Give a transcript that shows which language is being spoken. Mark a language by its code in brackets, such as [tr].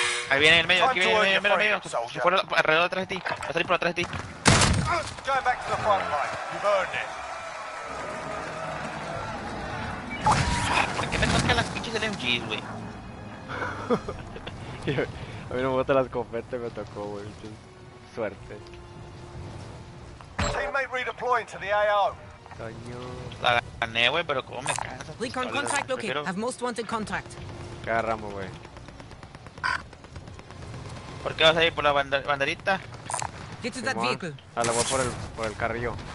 [es] Ahí viene el medio, aquí viene el medio, medio. Se fue alrededor detrás de ti. Va a salir por atrás de ti. [en] Go back to the front line. You've earned it. [es] ¿Por qué me toca las pinches del MG, güey? A mí no me gusta la escopeta, me tocó, güey. Suerte. [en] Teammate redeploying to the AO. [es] Coño. La gané, güey, pero cómo me cansas. [en] Leak on contact looking. Have most wanted contact. [es] ¿Qué agarramos, güey? ¿Por qué vas a ir por la banderita? [en] Get to that vehicle. [es] Dale, voy por el carrillo.